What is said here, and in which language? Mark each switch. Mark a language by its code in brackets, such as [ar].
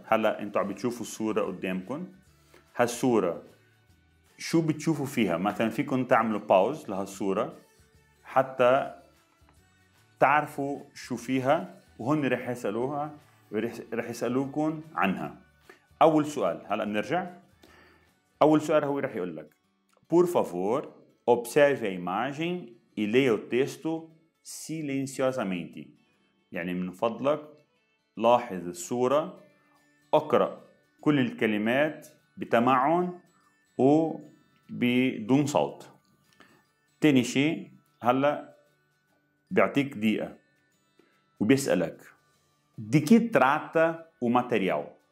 [ar] هلا انتو عم بتشوفوا الصورة قدامكم. هالصورة شو بتشوفوا فيها؟ مثلا فيكن تعملوا باوز لهالصورة حتى تعرفوا شو فيها، وهن رح يسألوها رح يسألوكن عنها. أول سؤال، هلا بنرجع. أول سؤال هو رح يقول لك [pt] Por favor, observe a imagem e leia o texto silenciosamente. [ar] يعني من فضلك لاحظ الصورة، اقرأ كل الكلمات بتمعن وبدون صوت. تاني شيء، هلا بيعطيك دقيقة وبيسألك [pt] De que trata o material?